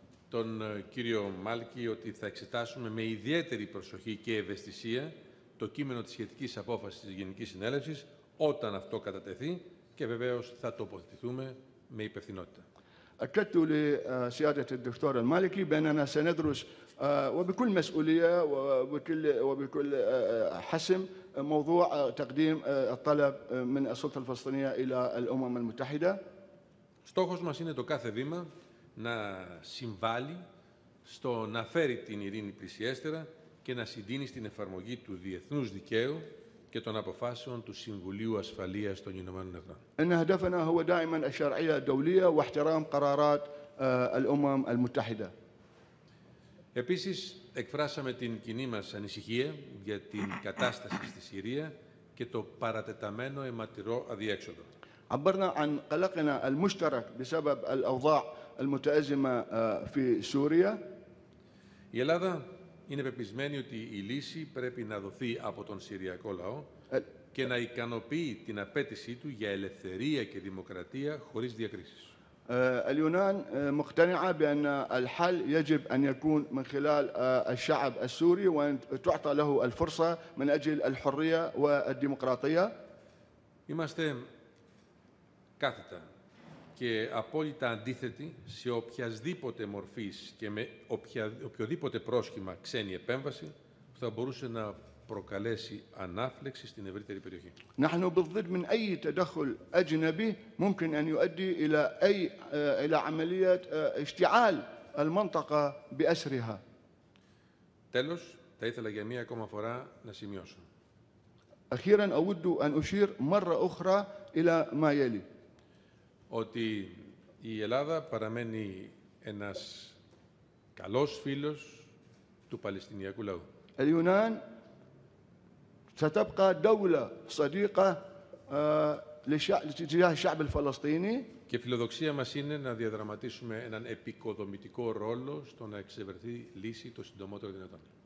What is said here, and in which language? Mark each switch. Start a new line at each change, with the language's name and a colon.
Greek: τον κύριο Μάλκη ότι θα εξετάσουμε με ιδιαίτερη προσοχή και ευαισθησία το κείμενο της σχετικής απόφασης της Γενικής Συνέλευσης όταν αυτό κατατεθεί και βεβαίως θα τοποθετηθούμε με υπευθυνότητα.
Arabic: أكدت لسيادة الدكتور المالكي بأننا سندرس وبكل مسؤولية وبكل حسم موضوع تقديم الطلب من السلطة الفلسطينية إلى الأمم المتحدة.
Greek: Στόχος μας είναι το κάθε βήμα να συμβάλλει στο να φέρει την ειρήνη πλησιέστερα και να συντείνει στην εφαρμογή του διεθνούς δικαίου και των αποφάσεων του Συμβουλίου Ασφαλείας των Ηνωμένων Εθνών. Ένα
Arabic: هدفنا هو دائما الشرعيه الدوليه واحترام قرارات الامم المتحده.
Greek: Επίσης, εκφράσαμε την κοινή μας ανησυχία για την κατάσταση στη Συρία και το παρατεταμένο αιματηρό αδιέξοδο.
Arabic: عبرنا عن قلقنا المشترك بسبب الاوضاع المتأزمه في سوريا.
Greek: Η Ελλάδα είναι πεπισμένη ότι η λύση πρέπει να δοθεί από τον Συριακό λαό και να ικανοποιεί την απέτησή του για ελευθερία και δημοκρατία χωρίς διακρίσεις.
Arabic: اليونان مقتنعة بأن الحل يجب أن يكون من خلال الشعب السوري وأن تعطى له الفرصة من أجل الحرية والديمقراطية.
Greek: Είμαστε κάθετα και απόλυτα αντίθετη σε οποιασδήποτε μορφής και με οποιοδήποτε πρόσχημα ξένη επέμβαση που θα μπορούσε να προκαλέσει ανάφλεξη στην ευρύτερη περιοχή.
Arabic: نحن بالضد من أي تدخل أجنبي ممكن أن يؤدي إلى عملية اشتعال المنطقة بأسرها.
Greek: Τέλος, θα ήθελα για μία ακόμα φορά να σημειώσω.
Arabic: أخيراً أود أن أشير مرة أخرى إلى ما يلي.
Greek: Ότι η Ελλάδα παραμένει ένας καλός φίλος του Παλαιστινιακού λαού.
Arabic: Η Λιουνάν θα τبقى دولة صديقة لشعب الشعب الفلسطيني.
Greek: Και φιλοδοξία μας είναι να διαδραματίσουμε έναν επικοδομητικό ρόλο στο να εξευρεθεί λύση το συντομότερο δυνατόν.